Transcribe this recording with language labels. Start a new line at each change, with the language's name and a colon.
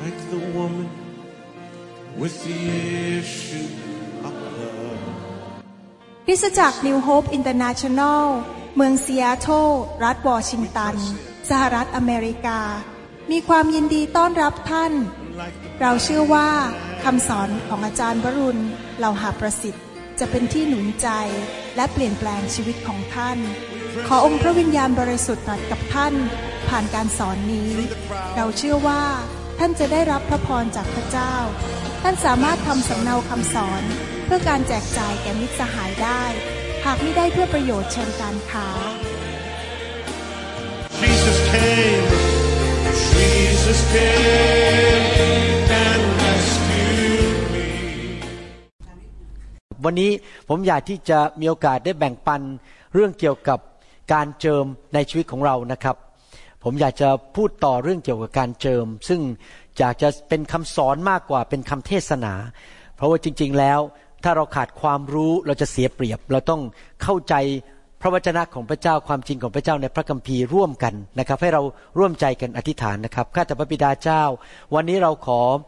English: the woman with the issue of love.
Thai: คริสตจักร New Hope International เมืองซีแอตเทิลรัฐวอชิงตันสหรัฐอเมริกามีความยินดีต้อนรับท่านเราเชื่อว่าคำสอนของอาจารย์วรุณเหล่าหาประสิทธิ์จะเป็นที่หนุนใจ และเปลี่ยนแปลงชีวิตของท่านขอองค์พระวิญญาณบริสุทธิ์ตรัสกับท่านผ่านการสอนนี้เราเชื่อว่าท่านจะได้รับพระพรจากพระเจ้าท่านสามารถทำสำเนาคำสอนเพื่อการแจกจ่ายแก่มิตรสหายได้หากไม่ได้เพื่อประโยชน์เชิงการค้า
English: Jesus cameJesus came and rescued me.
Thai: วันนี้ผมอยากที่จะมีโอกาสได้แบ่งปันเรื่องเกี่ยวกับการเจิมในชีวิตของเรานะครับผมอยากจะพูดต่อเรื่องเกี่ยวกับการเจิมซึ่งอยากจะเป็นคำสอนมากกว่าเป็นคำเทศนาเพราะว่าจริงๆแล้วถ้าเราขาดความรู้เราจะเสียเปรียบเราต้องเข้าใจพระวจนะของพระเจ้าความจริงของพระเจ้าในพระคัมภีร์ร่วมกันนะครับให้เราร่วมใจกันอธิษฐานนะครับข้าแต่พระบิดาเจ้าวันนี้เราขอ